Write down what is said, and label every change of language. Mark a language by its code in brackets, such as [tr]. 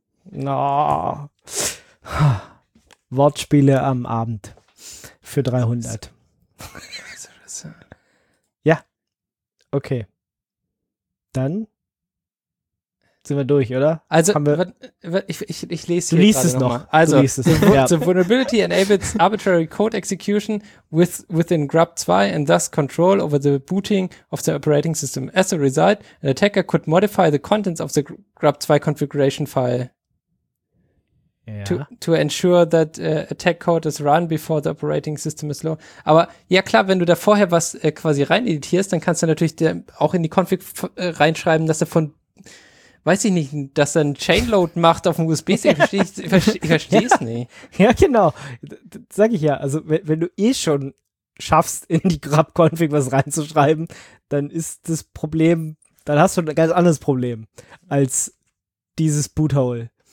[de] Na. No. Wortspiele am Abend. Für 300. Ja. Okay. Dann sind wir durch, oder? Also, ich lese hier. Du liest es noch. Mal. Also, [en] the vulnerability enables arbitrary code execution within Grub 2 and thus control over the booting of the operating system. As a result, an attacker could modify the contents of the Grub 2 configuration file. [de] Ja. [en] To ensure that attack code is run before the operating system is low. [de] Aber ja klar, wenn du da vorher was quasi rein editierst, dann kannst du natürlich auch in die Config reinschreiben, dass er von, weiß ich nicht, dass er einen Chainload macht auf dem USB-Stick. Ich verstehe es nicht. Ja, genau. Das sag ich ja. Also wenn du eh schon schaffst, in die Grub-Config was reinzuschreiben, dann ist das Problem, dann hast du ein ganz anderes Problem als dieses Boothole.